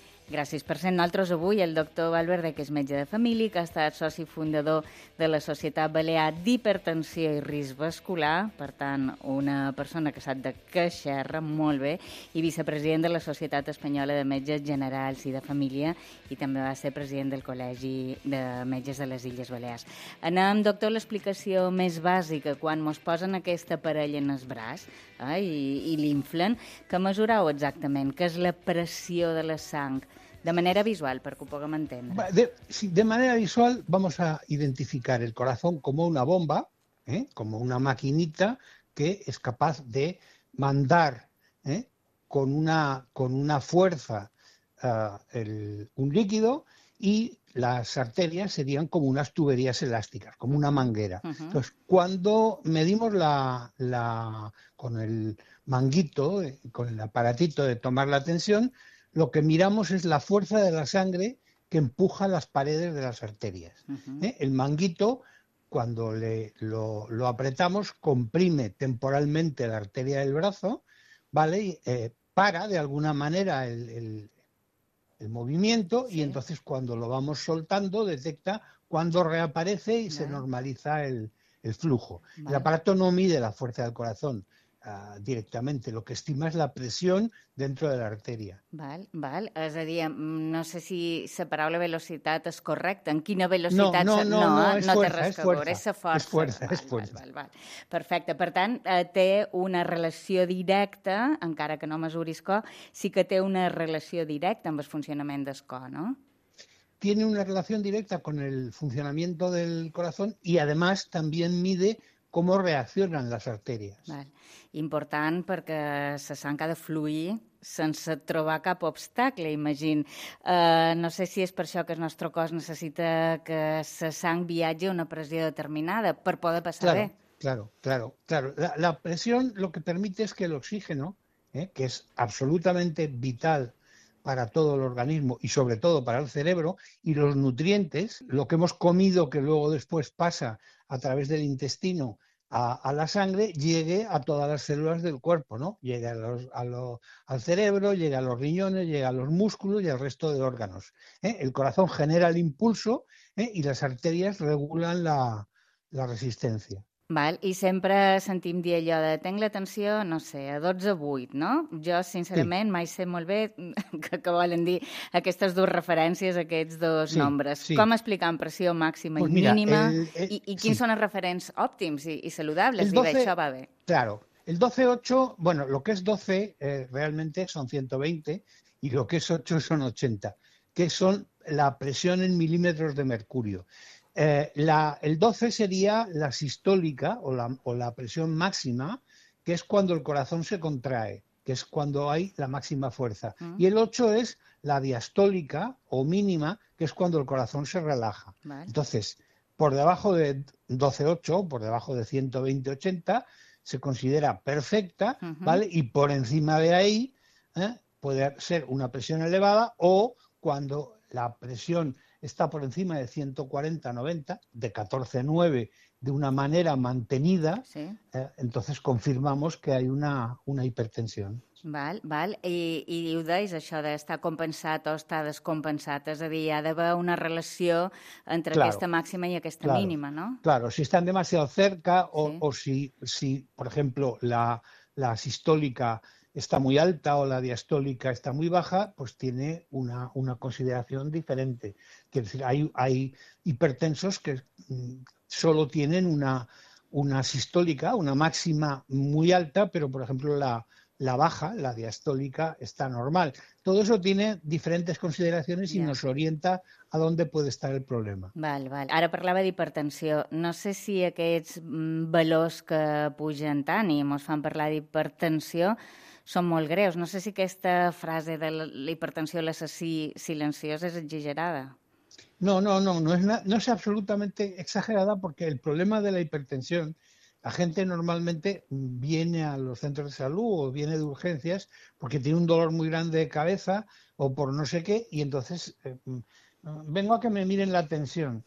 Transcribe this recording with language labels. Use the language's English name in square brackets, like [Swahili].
[Catalan] Gràcies per ser nosaltres avui. El doctor Valverde, que és metge de família, que ha estat soci fundador de la Societat Balear d'Hipertensió i Risc Vascular, per tant, una persona que sap de què xerra molt bé, i vicepresident de la Societat Espanyola de Metges Generals i de Família, i també va ser president del Col·legi de Metges de les Illes Balears. Anem, doctor, a l'explicació més bàsica. Quan mos posen aquest aparell en el braç i l'inflen, que mesureu exactament? Què és la pressió de la sang? De manera visual, perquè ho puguem entendre. [Spanish] De manera visual, vamos a identificar el corazón como una bomba, como una maquinita que es capaz de mandar con una fuerza un líquido, y las arterias serían como unas tuberías elásticas, como una manguera. Uh-huh. Entonces, cuando medimos la con el manguito, con el aparatito de tomar la tensión, lo que miramos es la fuerza de la sangre que empuja las paredes de las arterias. Uh-huh. El manguito, cuando lo apretamos, comprime temporalmente la arteria del brazo, ¿vale? Para de alguna manera el movimiento, sí. Y entonces cuando lo vamos soltando detecta cuando reaparece y se normaliza el flujo. Vale. El aparato no mide la fuerza del corazón directamente, lo que estima es la presión dentro de la arteria. [Catalan] Val. És a dir, no sé si la paraula velocitat és correcta, en quina velocitat... No, és fuerza. Perfecte, per tant, té una relació directa, encara que no mesuris cor, sí que té una relació directa amb el funcionament del cor, no? [Spanish] Tiene una relación directa con el funcionamiento del corazón y además también mide cómo reaccionan las arterias. [Catalan] Vale. Important, perquè la sang ha de fluir sense trobar cap obstacle, imagina. No sé si és per això que el nostre cos necessita que la sang viatgi a una pressió determinada per poder passar [Spanish] claro, [Catalan] bé. [Spanish] Claro. [Catalan] La pressió [Spanish] lo que permite es que el oxígeno, que es absolutamente vital para todo el organismo y sobre todo para el cerebro, y los nutrientes, lo que hemos comido que luego después pasa a través del intestino a la sangre, llegue a todas las células del cuerpo, ¿no? Llegue al cerebro, llegue a los riñones, llegue a los músculos y al resto de órganos. El corazón genera el impulso y las arterias regulan la resistencia. [Catalan] Val, i sempre sentim dir allò de tenc la tensió, no sé, a 12-8, no? Jo, sincerament, sí. Mai sé molt bé què volen dir aquestes dues referències, aquests dos nombres. Sí. Com explicar pressió màxima pues i mira, mínima i quins són els referents òptims i saludables? El 12, això va bé. [Spanish] Claro, el 12-8, bueno, lo que es 12 realmente son 120 y lo que es 8 son 80, que son la presión en milímetros de mercurio. El 12 sería la sistólica o la presión máxima, que es cuando el corazón se contrae, que es cuando hay la máxima fuerza. Uh-huh. Y el 8 es la diastólica o mínima, que es cuando el corazón se relaja. Vale. Entonces, por debajo de 12-8, por debajo de 120-80, se considera perfecta, uh-huh. ¿Vale? Y por encima de ahí puede ser una presión elevada o cuando la presión está por encima de 140-90, de 14-9, de una manera mantenida, sí. Entonces confirmamos que hay una hipertensión. [Catalan] Val. I ho deies, això d'estar compensat o estar descompensat, és a dir, hi ha d'haver una relació entre aquesta màxima i aquesta mínima, no? [Spanish] Claro, si están demasiado cerca o si, por ejemplo, la sistólica está muy alta o la diastólica está muy baja, pues tiene una consideración diferente. Quiero decir, hay hipertensos que solo tienen una sistólica, una máxima muy alta, pero, por ejemplo, la baja, la diastólica, está normal. Todo eso tiene diferentes consideraciones y nos orienta a dónde puede estar el problema. [Catalan] Val. Ara parlava d'hipertensió. No sé si aquests valors que pugen tant i mos fan parlar d'hipertensió són molt greus. No sé si aquesta frase de l'hipertensió, l'assassí silenciós, és exagerada. [Spanish] No es absolutamente exagerada, porque el problema de la hipertensión, la gente normalmente viene a los centros de salud o viene de urgencias porque tiene un dolor muy grande de cabeza o por no sé qué, y entonces vengo a que me miren la tensión.